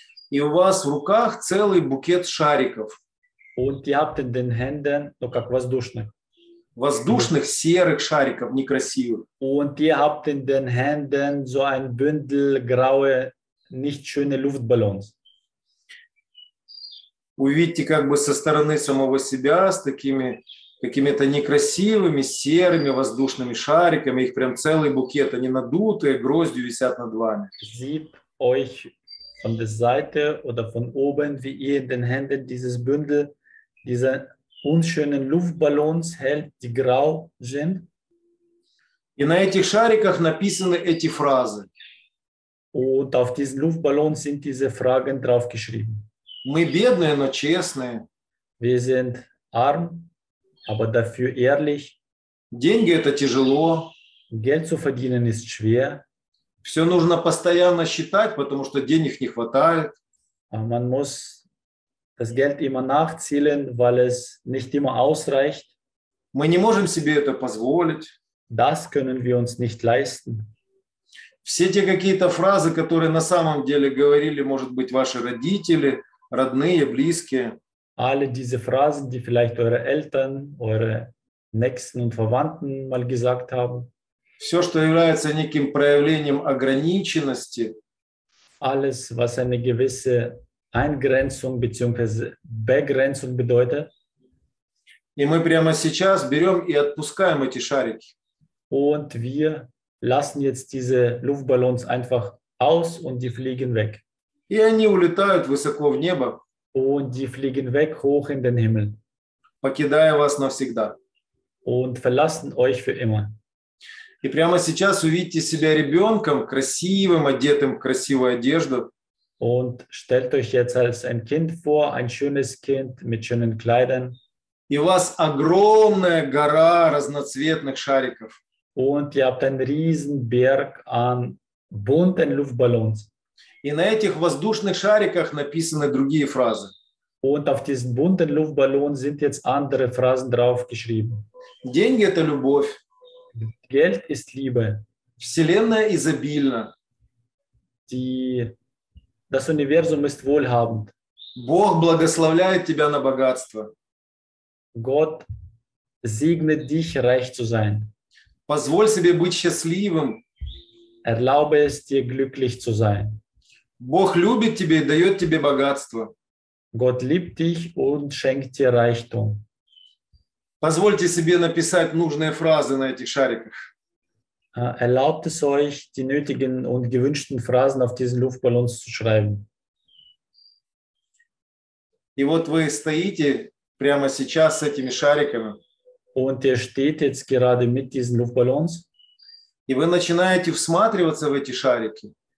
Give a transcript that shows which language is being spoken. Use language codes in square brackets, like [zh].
[ru] И у вас в руках целый букет шариков. [de] Und ihr habt in den Händen, [ru] ну как воздушных. Воздушных серых шариков, некрасивых. [de] Und ihr habt in den Händen so ein Bündel graue, nicht schöne Luftballons. [ru] Увидьте как бы со стороны самого себя с такими какими-то некрасивыми, серыми, воздушными шариками. Их прям целый букет, они надутые, гроздью висят над вами. [de] Sieht euch von der Seite oder von oben, wie ihr in den Händen dieses Bündel, diese unschönen Luftballons hält, die grau sind. [ru] И на этих шариках написаны эти фразы. [de] Und auf diesen Luftballons sind diese Fragen draufgeschrieben. [ru] Мы бедные, но честные. [de] Wir sind arm, aber dafür ehrlich. [ru] Деньги – это тяжело. [de] Geld zu verdienen ist schwer. [ru] Все нужно постоянно считать, потому что денег не хватает. [de] Man muss das Geld immer nachzählen, weil es nicht immer ausreicht. [ru] Мы не можем себе это позволить. [de] Das können wir uns nicht leisten. [ru] Все те какие-то фразы, которые на самом деле говорили, может быть, ваши родители, родные, близкие. [de] Alle diese Phrasen, die vielleicht eure Eltern, eure Nächsten und Verwandten mal gesagt haben. [ru] Все, что является неким проявлением ограниченности. [de] Alles, was eine gewisse Eingrenzung beziehungsweise Begrenzung bedeutet. [ru] И мы прямо сейчас берем и отпускаем эти шарики. [de] Und wir lassen jetzt diese Luftballons einfach aus und die fliegen weg. [ru] И они улетают высоко в небо. [de] Und die fliegen weg hoch in den Himmel. [ru] Покидая вас навсегда. [de] Und verlassen euch für immer. [ru] И прямо сейчас увидите себя ребенком, красивым, одетым в красивую одежду. [de] Und stellt euch jetzt als ein Kind vor, ein schönes Kind mit schönen Kleidern. [ru] И у вас огромная гора разноцветных шариков. [de] Und ihr habt einen riesen Berg an bunten Luftballons. [ru] И на этих воздушных шариках написаны другие фразы. [de] Und auf diesen bunten Luftballons sind jetzt andere Phrasen draufgeschrieben. [ru] Деньги – это любовь. [de] Geld ist Liebe. [ru] Вселенная изобильна. [de] Das Universum ist wohlhabend. [ru] Бог благословляет тебя на богатство. [de] Gott segnet dich, reich zu sein. [ru] Позволь себе быть счастливым. [de] Erlaube es dir, glücklich zu sein. [ru] Бог любит тебя и дает тебе богатство. [de] Gott liebt dich und schenkt dir Reichtum. [ru] Позвольте себе написать нужные фразы на этих шариках. [de] Erlaubt es euch, die nötigen und gewünschten Phrasen auf diesen Luftballons zu schreiben. [ru] И вот вы стоите прямо сейчас с этими шариками. [de] Und ihr steht jetzt gerade mit diesen Luftballons. [ru] И вы начинаете всматриваться в эти шарики.